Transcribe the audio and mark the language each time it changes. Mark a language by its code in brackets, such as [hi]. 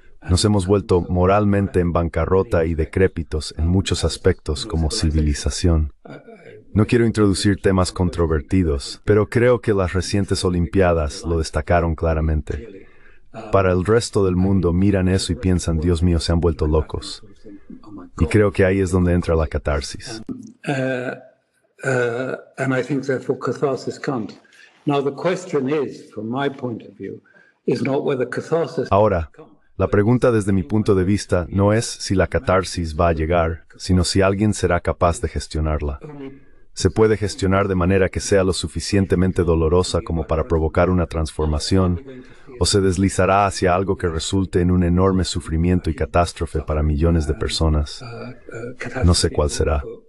[es] Nos hemos vuelto moralmente en bancarrota y decrépitos en muchos aspectos como civilización. No quiero introducir temas controvertidos, pero creo que las recientes Olimpiadas lo destacaron claramente. Para el resto del mundo miran eso y piensan, Dios mío, se han vuelto locos. Y creo que ahí es donde entra la catarsis. [en] And I think therefore catharsis comes. Now the question is, from my point of view, is not whether catharsis. [es] Ahora, la pregunta desde mi punto de vista no es si la catarsis va a llegar, sino si alguien será capaz de gestionarla. Se puede gestionar de manera que sea lo suficientemente dolorosa como para provocar una transformación, o se deslizará hacia algo que resulte en un enorme sufrimiento y catástrofe para millones de personas. No sé cuál será.